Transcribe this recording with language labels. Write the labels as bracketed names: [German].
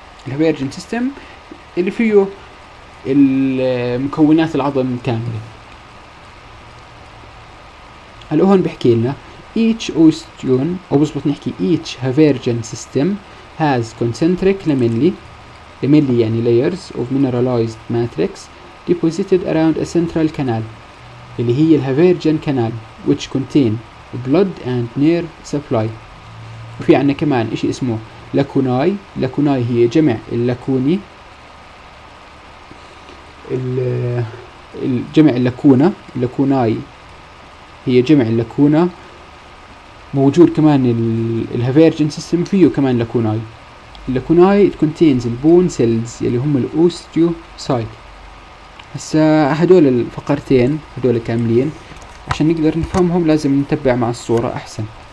[Arabic] الهافيرجن سيستم اللي فيه المكونات العظم كامله. هلا هون بحكي لنا each osteon، او بزبط نحكي each هافيرجن سيستم [English] has concentric lamellae. lamellae يعني layers of mineralized matrix deposited around a central canal [Arabic] اللي هي الهافيرجن كانال، [English] which contain blood and nerve supply. [Arabic] وفي عنا كمان اشي اسمه لاكوناي. لاكوناي هي جمع اللاكوني، الجمع اللاكونة. لاكوناي هي جمع اللاكونة. موجود كمان الهافيرجن سيستم فيه كمان لاكوناي. [English] اللاكوناي it contains the bone cells [Arabic] اللي هم الاوستيوسايت. هسا هدول الفقرتين هدول كاملين، عشان نقدر نفهمهم لازم نتبع مع الصورة أحسن.